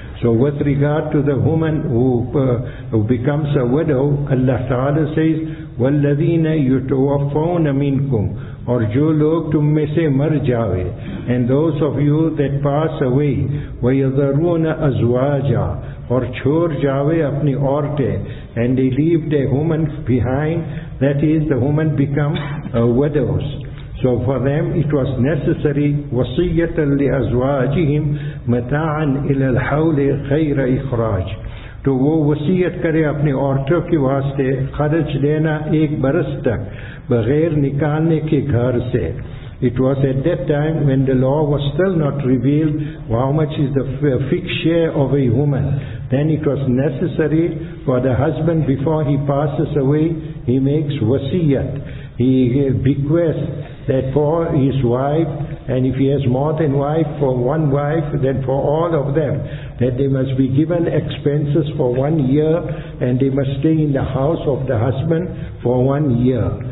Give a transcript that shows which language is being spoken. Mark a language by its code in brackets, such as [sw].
[en] So with regard to the woman who becomes a widow, Allah Ta'ala says, [ar] وَالَّذِينَ يُتَوَفَّوْنَ مِنْكُمْ [ur] or jo log tum mein se mar jave, [en] and those of you that pass away, [ar] وَيَذَرُونَ أَزْوَاجَ [ur] or chhor jave apni aurte, [en] and they leave the woman behind, that is, the woman become widows. So for them it was necessary, [ar] وَصِيَّةً لِأَزْوَاجِهِمْ مَتَاعًا إِلَى الْحَوْلِ خَيْرَ إِخْرَاجِ [ur] تو وہ وصیت کرے اپنے عورتوں کے واسطے خرچ دینا ایک برس تک بغیر نکالنے کے گھر سے. [en] It was at that time when the law was still not revealed, how much is the fixed share of a woman. Then it was necessary for the husband, before he passes away, he makes wasiyat. He bequests that for his wife, and if he has more than wife, for one wife, then for all of them, that they must be given expenses for 1 year, and they must stay in the house of the husband for 1 year.